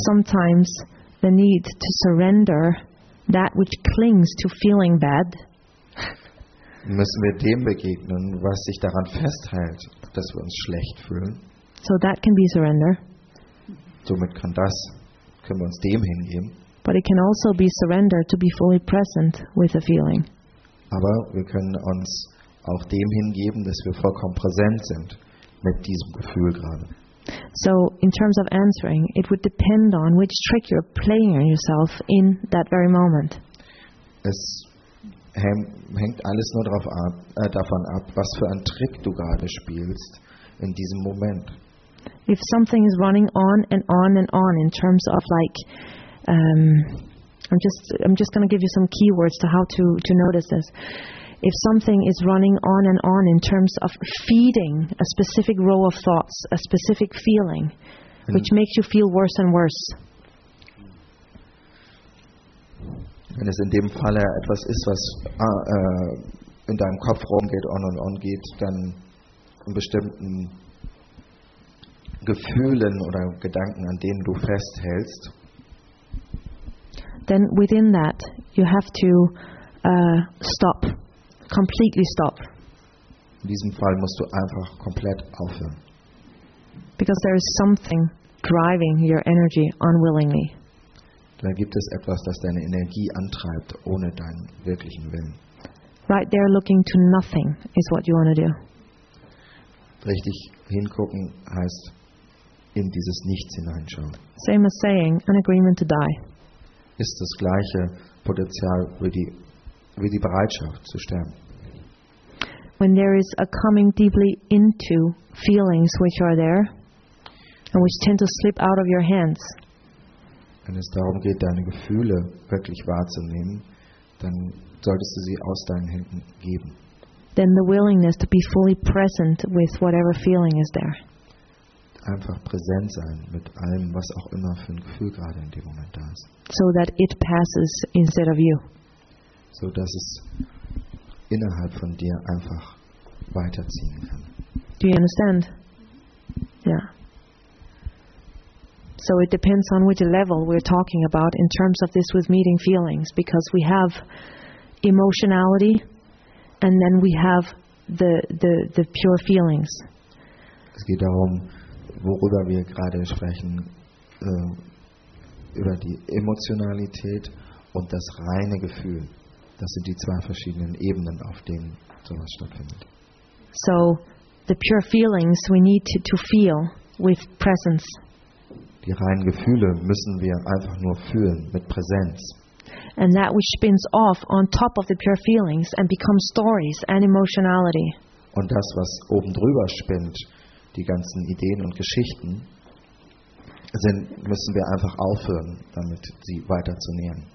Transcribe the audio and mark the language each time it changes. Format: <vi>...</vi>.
<en>Sometimes the need to surrender that which clings to feeling bad.</en> <de>Müssen wir dem begegnen, was sich daran festhält, dass wir uns schlecht fühlen.</de> <en>So that can be surrender.</en> <de>Somit kann das, können wir uns dem hingeben.</de> <en>But it can also be surrender to be fully present with a feeling.</en> <de>Aber wir können uns auch dem hingeben, dass wir vollkommen präsent sind mit diesem Gefühl gerade.</de> <en>So in terms of answering, it would depend on which trick you're playing on yourself in that very moment.</en> <de>Es hängt alles nur davon ab, was für einen Trick du gerade spielst in diesem Moment.</de> <en>If something is running on and on and on in terms of like, I'm just going to give you some keywords to how to notice this. If something is running on and on in terms of feeding a specific row of thoughts, a specific feeling, which makes you feel worse and worse.</en> <de>Wenn es in dem Falle etwas ist, was in deinem Kopf rumgeht,</de> <en>on and on</en> <de>geht, dann in bestimmten Gefühlen oder Gedanken, an denen du festhältst.</de> <en>Then within that, you have to stop. Completely stop.</en> <de>In diesem Fall musst du einfach komplett aufhören.</de> <en>Because there is something driving your energy unwillingly.</en> <de>Da gibt es etwas, das deine Energie antreibt, ohne deinen wirklichen Willen.</de> <en>Right there looking to nothing is what you want to do.</en> <de>Richtig hingucken heißt in dieses Nichts hineinschauen.</de> <en>Same as saying an agreement to die.</en> <de>Ist das gleiche Potenzial wie die Bereitschaft zu sterben.</de> <en>When there is a coming deeply into feelings which are there and which tend to slip out of your hands.</en> <de>Wenn es darum geht, deine Gefühle wirklich wahrzunehmen, dann solltest du sie aus deinen Händen geben.</de> <en>Then the willingness to be fully present with whatever feeling is there.</en> <de>Einfach präsent sein mit allem, was auch immer für ein Gefühl gerade in dem Moment da ist.</de> <en>So that it passes instead of you.</en> <de>So dass es innerhalb von dir einfach weiterziehen kann.</de> <en>Do you understand? Yeah. So it depends on which level we're talking about in terms of this with meeting feelings, because we have emotionality and then we have the pure feelings.</en> <de>Es geht darum, worüber wir gerade sprechen, über die Emotionalität und das reine Gefühl. Das sind die zwei verschiedenen Ebenen, auf denen sowas stattfindet.</de> <en>So, the pure feelings we need to feel with presence.</en> <de>Die reinen Gefühle müssen wir einfach nur fühlen mit Präsenz.</de> <en>And that which spins off on top of the pure feelings and becomes stories and emotionality.</en> <de>Und das, was oben drüber spinnt, die ganzen Ideen und Geschichten, sind, müssen wir einfach aufhören, damit sie weiter zu nähren.</de>